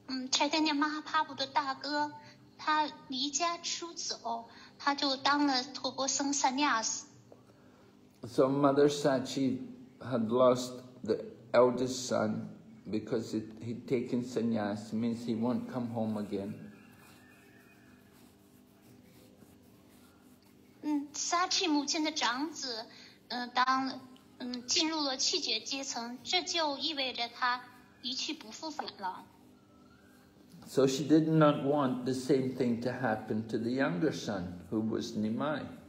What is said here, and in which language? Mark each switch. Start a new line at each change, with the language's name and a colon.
Chinese: Chaitanya Mahaprabhu 的大哥，他离家出走，他就当了托钵僧 sannyas。
English: So Mother Sachi had lost the eldest son because he'd taken sannyas, means he won't come home again.
Chinese: Sachi 母亲的长子，当进入了气绝阶层，这就意味着他一去不复返了。
English: So she did not want the same thing to happen to the younger son, who was Nimai.